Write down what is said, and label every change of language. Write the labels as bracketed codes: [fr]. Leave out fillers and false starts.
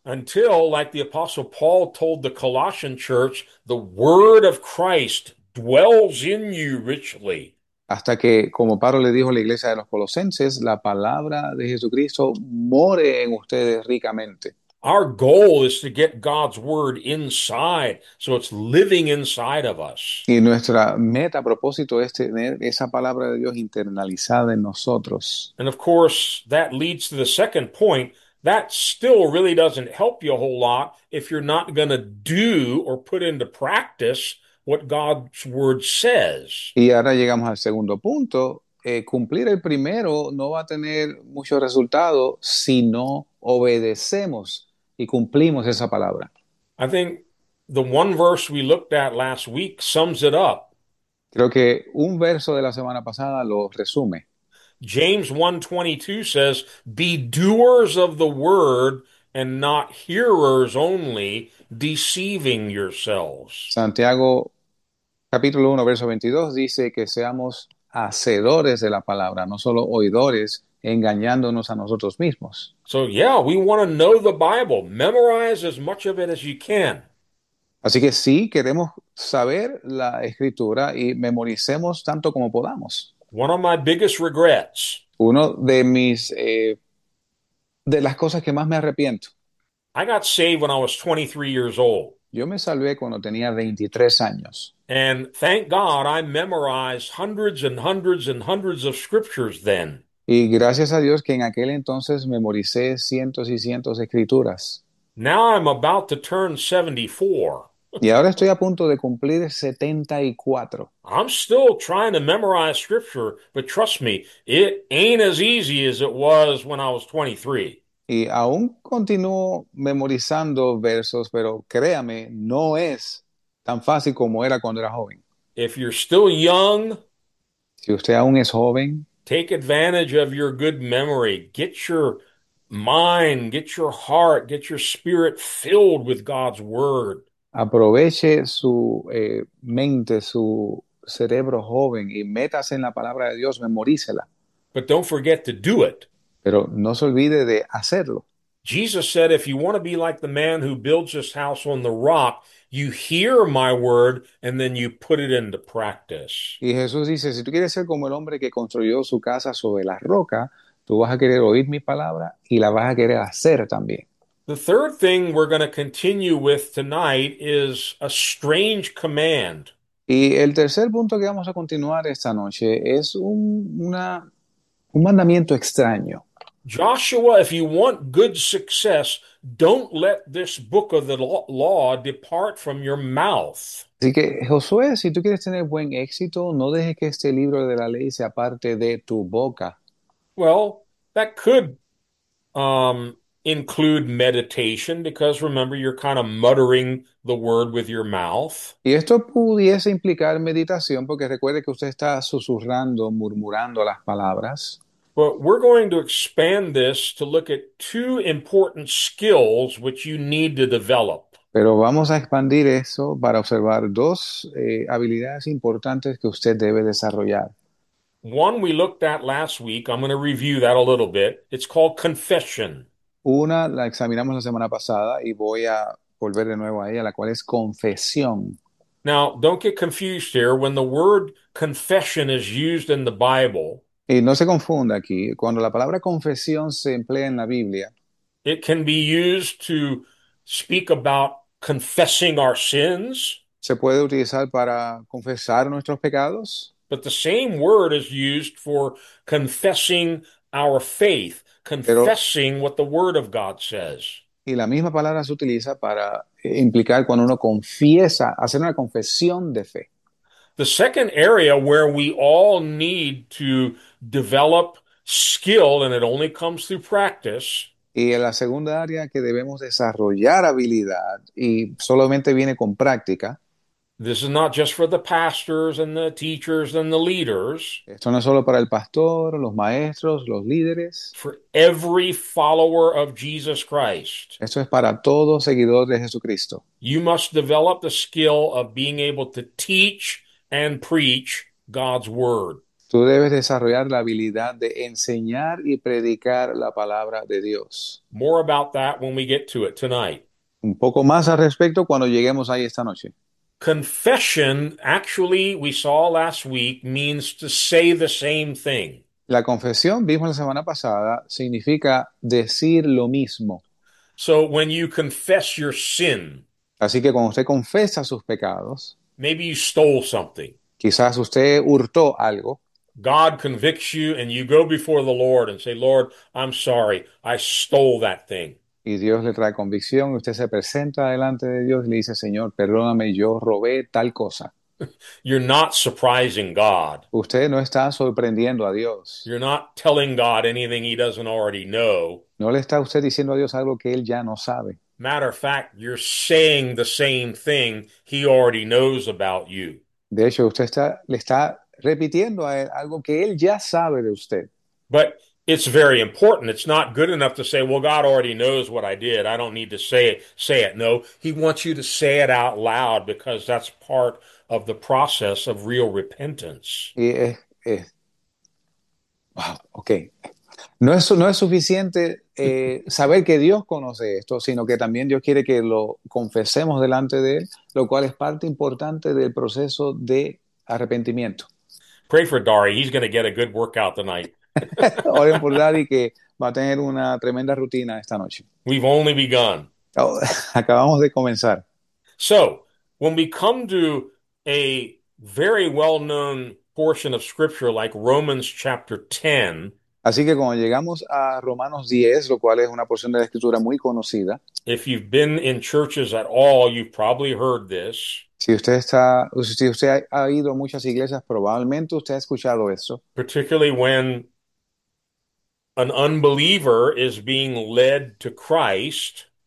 [en] Until, like the Apostle Paul told the Colossian church, the word of Christ dwells in you richly. [es] Hasta que, como Pablo le dijo a la iglesia de los Colosenses, la palabra de Jesucristo more en ustedes ricamente. [en] Our goal is to get God's word inside, so it's living inside of us. [es] Y nuestra meta, a propósito, es tener esa palabra de Dios internalizada en nosotros. [en] And of course, that leads to the second point. That still really doesn't help you a whole lot if you're not going to do or put into practice what God's word says. [es] Y ahora llegamos al segundo punto. Cumplir el primero no va a tener mucho resultado si no obedecemos y cumplimos esa palabra. [en] I think the one verse we looked at last week sums it up. [es] Creo que un verso de la semana pasada lo resume. [en] James 1:22 says, "Be doers of the word and not hearers only, deceiving yourselves." [es] Santiago capítulo 1, verso 22 dice que seamos hacedores de la palabra, no solo oidores, engañándonos a nosotros mismos. [en] So yeah, we want to know the Bible. Memorize as much of it as you can. [es] Así que sí, queremos saber la escritura y memoricemos tanto como podamos. [en] One of my biggest regrets. [es] Uno de mis, de las cosas que más me arrepiento. [en] I got saved when I was 23 years old. [es] Yo me salvé cuando tenía 23 años. [en] And thank God I memorized hundreds and hundreds and hundreds of scriptures then. [es] Y gracias a Dios que en aquel entonces memoricé cientos y cientos de escrituras. [en] Now I'm about to turn 74. [es] Y ahora estoy a punto de cumplir 74. [en] I'm still trying to memorize scripture, but trust me, it ain't as easy as it was when I was 23. [es] Y aún continúo memorizando versos, pero créame, no es tan fácil como era cuando era joven. [en] If you're still young, [es] Si usted aún es joven, [en] take advantage of your good memory. Get your mind, get your heart, get your spirit filled with God's word. [es] aproveche su mente, su cerebro joven y métase en la palabra de Dios, memorícela. [en] But don't forget to do it. [es] Pero no se olvide de hacerlo. [en] Jesus said, if you want to be like the man who builds his house on the rock, you hear my word and then you put it into practice. [es] Y Jesús dice, si tú quieres ser como el hombre que construyó su casa sobre la roca, tú vas a querer oír mi palabra y la vas a querer hacer también. [en] The third thing we're going to continue with tonight is a strange command. [es] Y el tercer punto que vamos a continuar esta noche es un mandamiento extraño. [en] Joshua, if you want good success, don't let this book of the law depart from your mouth. [es] Así que, Josué, si tú quieres tener buen éxito, no dejes que este libro de la ley se aparte de tu boca. [en] Well, that could, include meditation because remember you're kind of muttering the word with your mouth. [es] Y esto pudiese implicar meditación, porque recuerde que usted está susurrando, murmurando las palabras. [en] But we're going to expand this to look at two important skills which you need to develop. [es] Pero vamos a expandir eso para observar dos habilidades importantes que usted debe desarrollar. [en] One we looked at last week, I'm going to review that a little bit. It's called confession. [es] Una la examinamos la semana pasada y voy a volver de nuevo a ella, la cual es confesión. [en] Now, don't get confused here. When the word confession is used in the Bible, [es] Y no se confunda aquí, cuando la palabra confesión se emplea en la Biblia, [en] it can be used to speak about confessing our sins, [es] se puede utilizar para confesar nuestros pecados. [en] but the same word is used for confessing our faith, [es] Pero, [en] confessing what the word of God says. [es] y la misma palabra se utiliza para implicar cuando uno confiesa, hacer una confesión de fe. [en] The second area where we all need to develop skill, and it only comes through practice, [es] Y en la segunda área que debemos desarrollar habilidad y solamente viene con práctica. [en] this is not just for the pastors and the teachers and the leaders. [es] Esto no es solo para el pastor, los maestros, los líderes. [en] For every follower of Jesus Christ, [es] Esto es para todo seguidor de Jesucristo. [en] you must develop the skill of being able to teach and preach God's word. [es] Tú debes desarrollar la habilidad de enseñar y predicar la palabra de Dios. [en] More about that when we get to it tonight. [es] Un poco más al respecto cuando lleguemos ahí esta noche. [en] Confession, actually, we saw last week, means to say the same thing. [es] La confesión, vimos la semana pasada, significa decir lo mismo. [en] So when you confess your sin, [es] Así que cuando usted confiesa sus pecados, [en] maybe you stole something. [es] quizás usted hurtó algo. [en] God convicts you and you go before the Lord and say, Lord, I'm sorry, I stole that thing. [es] Y Dios le trae convicción y usted se presenta delante de Dios y le dice, Señor, perdóname, yo robé tal cosa. [en] You're not surprising God. [es] Usted no está sorprendiendo a Dios. [en] You're not telling God anything he doesn't already know. [es] No le está usted diciendo a Dios algo que él ya no sabe. [en] Matter of fact, you're saying the same thing he already knows about you. [es] De hecho, usted está, le está repitiendo a él algo que él ya sabe de usted. [en] But it's very important. It's not good enough to say, well, God already knows what I did. I don't need to say it. No, he wants you to say it out loud because that's part of the process of real repentance. [es] Y wow, ok. No es suficiente saber que Dios conoce esto, sino que también Dios quiere que lo confesemos delante de Él, lo cual es parte importante del proceso de arrepentimiento. [en] Pray for Dari. He's going to get a good workout tonight. [es] Oren por Larry que va a tener una tremenda rutina esta noche. [en] We've only begun. [es] Oh, acabamos de comenzar. [en] So, when we come to a very well-known portion of scripture like Romans chapter 10, [es] Así que cuando llegamos a Romanos 10, lo cual es una porción de la escritura muy conocida, [en] if you've been in churches at all, you've probably heard this. [es] si usted ha ido a muchas iglesias, probablemente usted ha escuchado eso. [en] Particularly when an unbeliever is being led to Christ,